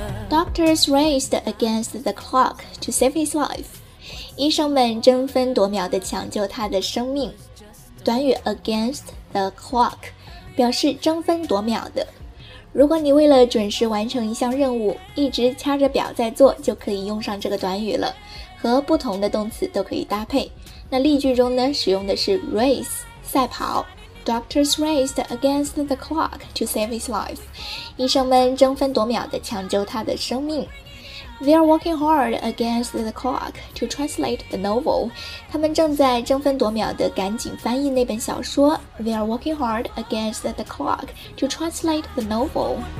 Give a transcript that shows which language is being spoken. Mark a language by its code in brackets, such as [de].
[en] Doctors raced against the clock to save his life. [zh] 医生们争分夺秒地抢救他的生命。短语 against the clock 表示争分夺秒的。如果你为了准时完成一项任务，一直掐着表在做，就可以用上这个短语了，和不同的动词都可以搭配。那例句中呢，使用的是 race 赛跑。 [en] Doctors raced against the clock to save his life. [zh] 医生们争分夺秒地抢救他的生命。 [en] They are working hard against the clock to translate the novel. [zh] 他们正在争分夺秒地赶紧翻译那本小说。 [en] They are working hard against the clock to translate the novel.